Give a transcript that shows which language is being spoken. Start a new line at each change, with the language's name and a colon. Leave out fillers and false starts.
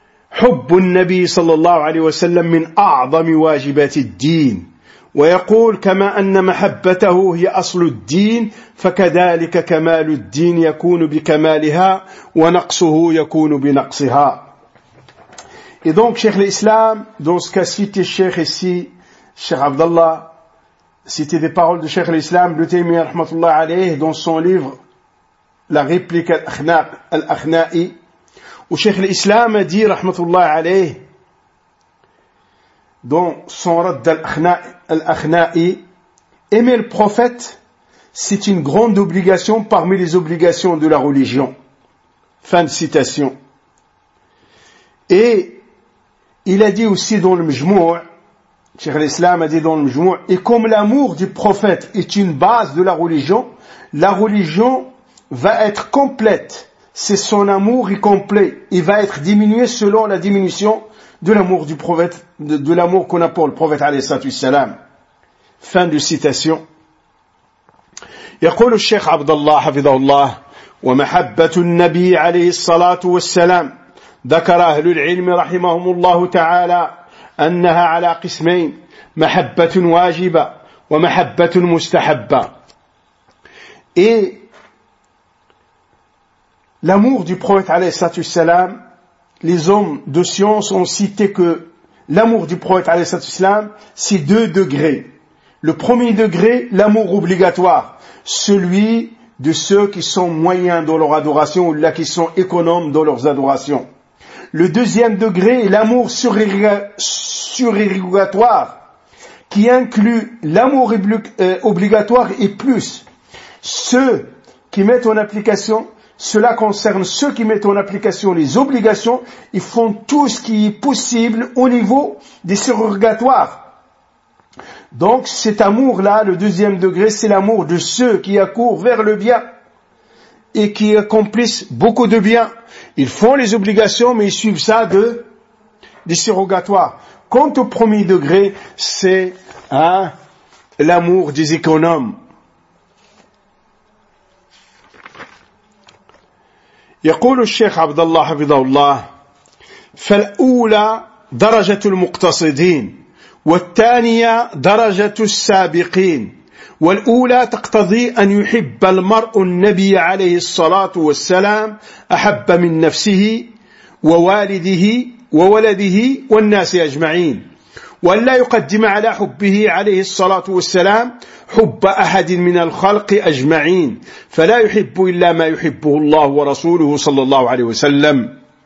Arabic: حب النبي صلى الله عليه وسلم من أعظم واجبات الدين، ويقول كما أن محبته هي أصل الدين، فكذلك كمال الدين يكون بكمالها ونقصه يكون بنقصها.
French: Et donc, Cheikh l'Islam, dans ce cas cité Cheikh ici, Cheikh Abdallah, cité des paroles de Cheikh l'Islam, Ibn Taymiyyah rahmatullah alayhi, dans son livre, La réplique al-Akhna'i, où Cheikh l'Islam a dit, rahmatullah alayh, dans son radd al-Akhna'i, aimer le prophète, c'est une grande obligation parmi les obligations de la religion. Fin de citation. Et il a dit aussi dans le Mjmou', Cheikh l'Islam a dit dans le Mjmou', et comme l'amour du prophète est une base de la religion va être complète. C'est son amour y complet. Il va être diminué selon la diminution de l'amour du prophète, de l'amour qu'on a pour le prophète alayhi salatu wassalam. Fin de citation.
Arabic: يقول الشيخ عبد الله حفظه الله ومحبة النبي عليه الصلاة والسلام ذكر أهل العلم رحمهم الله تعالى أنها على قسمين محبة واجبة ومحبة مستحبة.
French: L'amour du prophète alayhi salatu wassalam, les hommes de science ont cité que l'amour du prophète alayhi salatu wassalam, c'est deux degrés. Le premier degré, l'amour obligatoire, celui de ceux qui sont moyens dans leur adoration ou là qui sont économes dans leurs adorations. Le deuxième degré, l'amour surérogatoire, qui inclut l'amour obligatoire et plus ceux qui mettent en application. Cela concerne ceux qui mettent en application les obligations et font tout ce qui est possible au niveau des surrogatoires. Donc cet amour-là, le deuxième degré, c'est l'amour de ceux qui accourent vers le bien et qui accomplissent beaucoup de bien. Ils font les obligations, mais ils suivent ça de des surrogatoires. Quant au premier degré, c'est l'amour des économes.
Arabic: يقول الشيخ عبد الله حفظه الله فالأولى درجة المقتصدين والثانية درجة السابقين والأولى تقتضي أن يحب المرء النبي عليه الصلاة والسلام أحب من نفسه ووالده وولده والناس أجمعين، ولا يقدم على حبه عليه الصلاة والسلام حب أحد من الخلق أجمعين، فلا يحب إلا ما يحبه الله ورسوله صلى الله عليه وسلم،